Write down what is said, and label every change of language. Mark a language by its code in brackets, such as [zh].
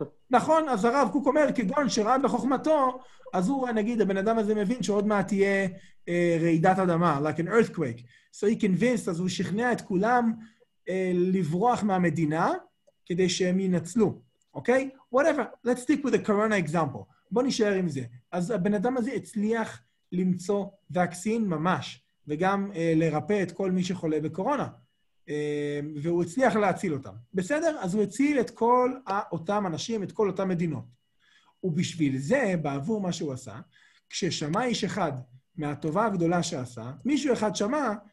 [he] נכון, אז הרב קוק אומר, כגון שראה בחוכמתו, אז הוא, נגיד, הבן אדם הזה מבין שעוד מעט תהיה רעידת אדמה, [en] like an earthquake. So he convinced, [he] אז הוא שכנע את כולם לברוח מהמדינה, כדי שהם ינצלו, אוקיי? [en] Okay? Whatever, let's stick with the corona example. [he] בוא נשאר עם זה. אז הבן אדם הזה הצליח למצוא וקסין ממש, וגם לרפא את כל מי שחולה בקורונה. והוא הצליח להציל אותם. בסדר? אז הוא הציל את כל אותם אנשים, את כל אותם מדינות. ובשביל זה, בעבור מה שהוא עשה, כששמע איש אחד מהטובה הגדולה שעשה, מישהו אחד שמע